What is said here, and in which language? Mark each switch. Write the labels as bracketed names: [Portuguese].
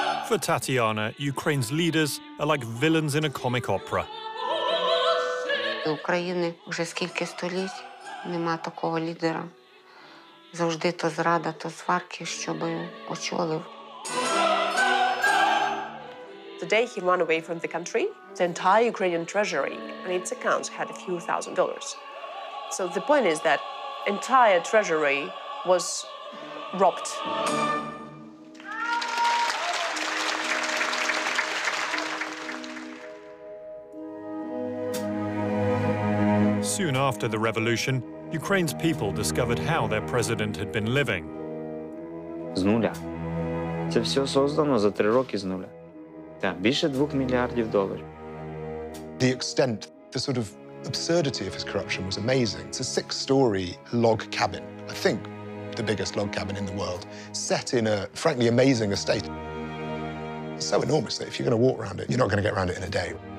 [English] For Tatiana, Ukraine's leaders are like villains in a comic opera. [Ukrainian] У України вже скільки століть нема такого лідера. Завжди то зрада, то сварки, щоб очолив. [English] The day he ran away from the country, the entire Ukrainian treasury and its accounts had a few thousand dollars. So the point is that entire treasury was robbed. Soon after the revolution, Ukraine's people discovered how their president had been living. [Ukrainian] З нуля. Це все создано за 3 роки з нуля. Більше 2 мільярдів доларів. [English] The extent, the sort of absurdity of his corruption was amazing. It's a 6-story log cabin, I think the biggest log cabin in the world, set in a frankly amazing estate. It's so enormous that if you're going to walk around it, you're not going to get around it in a day.